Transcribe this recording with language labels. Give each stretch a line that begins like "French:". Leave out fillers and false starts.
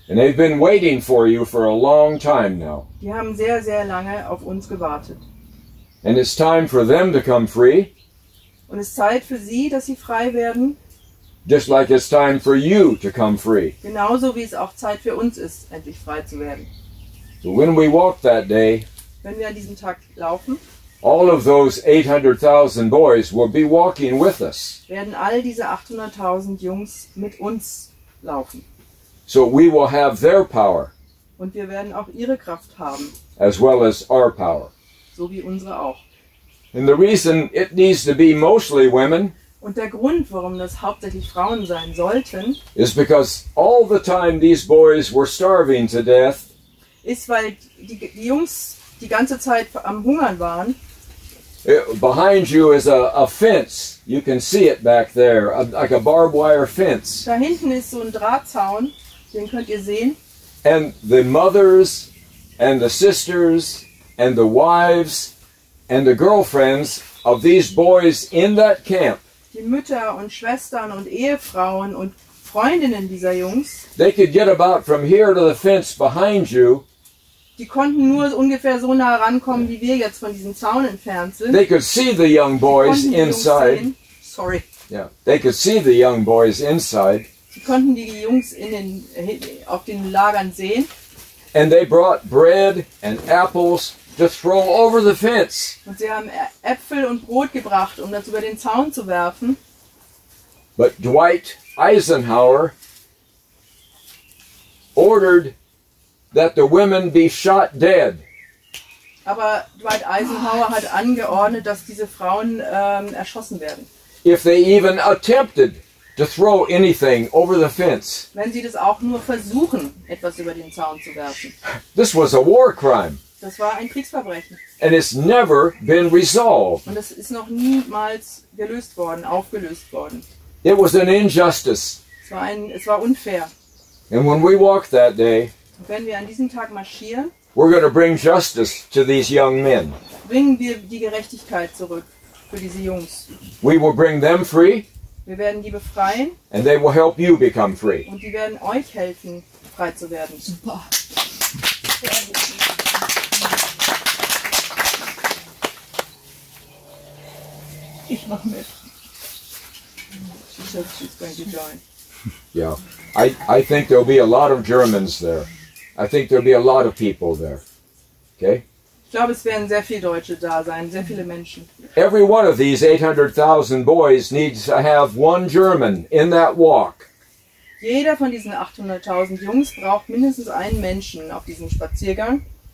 English: And they've been waiting for you for a long time now.
German: Die haben sehr, sehr lange auf uns gewartet.
English: And it's time for them to come free.
German: Und es ist Zeit für sie, dass sie frei werden.
English: Just like it's time for you to come free.
German: Genauso wie es auch Zeit für uns ist, endlich frei zu werden.
English: So when we walk that day,
German: wenn wir an diesem Tag laufen,
English: all of those 800,000 boys will be walking with us.
German: Werden all diese 800,000 Jungs mit uns laufen.
English: So we will have their power.
German: Und wir werden auch ihre Kraft haben.
English: As well as our power.
German: So wie unsere auch.
English: And the reason it needs to be mostly women.
German: Und der Grund, warum das hauptsächlich Frauen sein sollten,
English: is because all the time these boys were starving to death.
German: Ist, weil die Jungs die ganze Zeit am Hungern waren.
English: Behind you is a fence. You can see it back there, like a barbed wire fence.
German: Da hinten ist so ein Drahtzaun, den könnt ihr sehen.
English: And the mothers and the sisters and the wives and the girlfriends of these boys in that camp.
German: Die Mütter und Schwestern und Ehefrauen und Freundinnen dieser Jungs.
English: They could get about from here to the fence behind you.
German: Die konnten nur ungefähr so nah rankommen, wie wir jetzt von diesem Zaun entfernt sind.
English: They could see the young boys inside. Sorry. Yeah. They could see the young boys inside.
German: Sie konnten die Jungs auf den Lagern sehen.
English: And they brought bread and apples to throw over the fence.
German: Und sie haben Äpfel und Brot gebracht, um das über den Zaun zu werfen.
English: But Dwight Eisenhower ordered that the women be shot dead.
German: Aber Dwight Eisenhower hat angeordnet, dass diese Frauen erschossen werden.
English: If they even attempted to throw anything over the fence.
German: Wenn sie das auch nur versuchen, etwas über den Zaun zu werfen.
English: This was a war crime.
German: Das war ein Kriegsverbrechen.
English: And it's never been resolved.
German: Und es ist noch niemals gelöst worden, aufgelöst worden.
English: It was an injustice.
German: Es war unfair.
English: And when we walk that day,
German: wenn wir an diesem Tag marschieren,
English: we're going to bring justice to these young men.
German: Bringen wir die Gerechtigkeit zurück für diese Jungs.
English: We will bring them free.
German: Wir werden die befreien.
English: And they will help you become free.
German: Und die werden euch helfen, frei zu werden.
English: Super.
German: Ich mach mit.
English: She says she's going to join. Yeah, I think there'll be a lot of Germans there. I think there'll be a lot of people there. Okay?
German: Ich glaube, es werden sehr viele Deutsche da sein, sehr viele Menschen.
English: Every one of these 800,000 boys needs to have one German in that walk.
German: Jeder von diesen 800,000 Jungs braucht mindestens einen Menschen auf diesem Spaziergang.